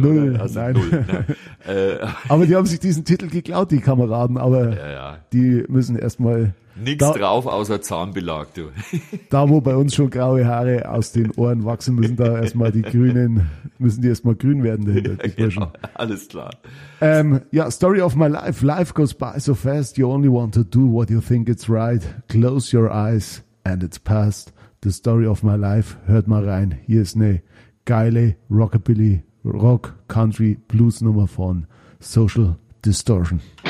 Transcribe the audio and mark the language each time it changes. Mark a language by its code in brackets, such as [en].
[de] Null, oder? Also nein. Aber die haben sich diesen Titel geklaut, die Kameraden, aber die müssen erstmal... Nichts drauf, außer Zahnbelag, du. Da, wo bei uns schon graue Haare aus den Ohren wachsen, müssen da erstmal die Grünen, müssen die erstmal grün werden dahinter, die Burschen. Ja, alles klar. [en] Story of my life. Life goes by so fast, you only want to do what you think it's right. Close your eyes and it's past. The story of my life, [de] hört mal rein. Hier ist eine geile Rockabilly, Rock, Country, Blues Nummer von Social Distortion.